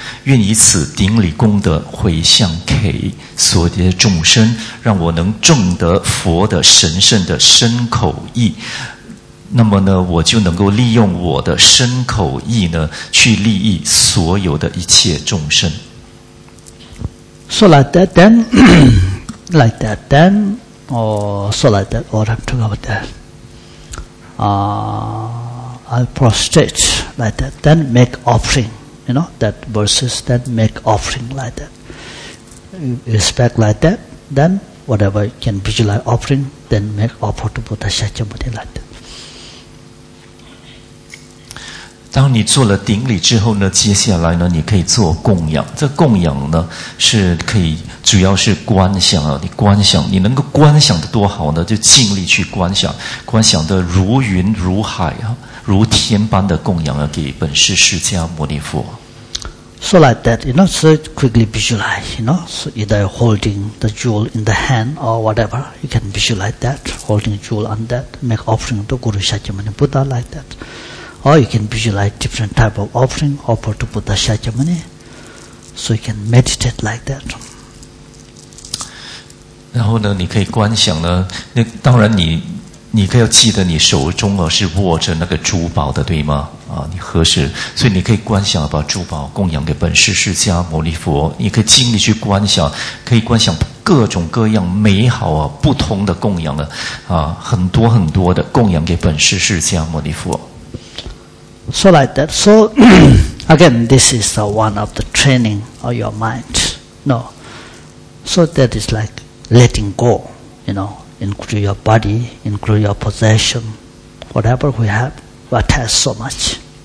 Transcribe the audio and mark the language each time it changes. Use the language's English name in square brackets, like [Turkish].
[Chinese] 愿以此顶礼功德回向给所有的众生，让我能证得佛的神圣的身口意。那么呢，我就能够利用我的身口意呢，去利益所有的一切众生。 [English] So like that, then, like that, then, or so like that, what I'm talking about that. I prostrate like that, then make offering. You know, that verses then make offering like that. Respect like that, then whatever you can visualize offering, then make offer to Buddha Shakyamuni like that. [Chinese] 当你做了顶礼之后呢，接下来呢，你可以做供养。这供养呢，是可以主要是观想啊，你观想，你能够观想的多好呢，就尽力去观想，观想的如云如海啊。如天般的供养给本师释迦牟尼佛。 [English] So like that, you know, so quickly visualize, you know, so either holding the jewel in the hand or whatever, you can visualize that, holding jewel on that, make offering to Guru Shakyamuni Buddha like that. Or you can visualize different type of offering, offer to Buddha Shakyamuni. So you can meditate like that. [Chinese] 然后呢，你可以观想呢，那当然你可以要记得你手中啊是握着那个珠宝的，对吗？啊，你合十，所以你可以观想把珠宝供养给本师释迦牟尼佛，你可以尽力去观想，可以观想各种各样美好啊不同的供养啊，很多很多的供养给本师释迦牟尼佛。 [English] So like that. So again, this is the one of the training of your mind. No. So that is like letting go. You know. Include your body, include your possession, whatever we have, we attach so much.